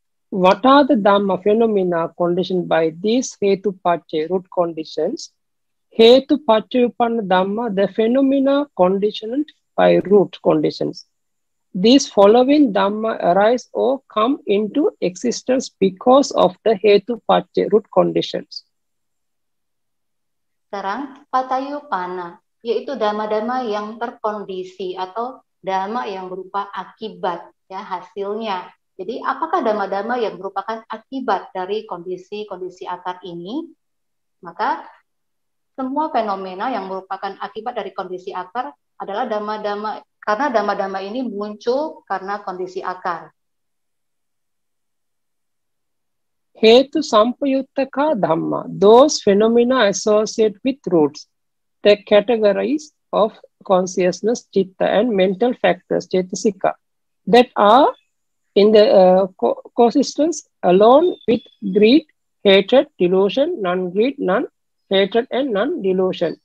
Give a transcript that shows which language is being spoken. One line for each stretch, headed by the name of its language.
English: What are the dhamma phenomena conditioned by these hetu paccaya root conditions? Hetu pachayupanna dhamma, the phenomena conditioned by root conditions. These following dhamma arise or come into existence because of the hetu pachay root conditions.
Indonesian: Sekarang, pachayupanna, yaitu dhamma-dhamma yang terkondisi atau dhamma yang berupa akibat, ya, hasilnya. Jadi, apakah dhamma-dhamma yang merupakan akibat dari kondisi-kondisi akar ini? Maka, semua fenomena yang merupakan akibat dari kondisi akar adalah dhamma-dhamma, karena dhamma-dhamma ini muncul karena kondisi akar.
English: Hetu sampayuttaka dhamma, those phenomena associated with roots, the categories of consciousness, citta and mental factors, cetasika, that are in the coexistence alone with greed, hatred, delusion, non-greed, non-hatred, and non-delusion.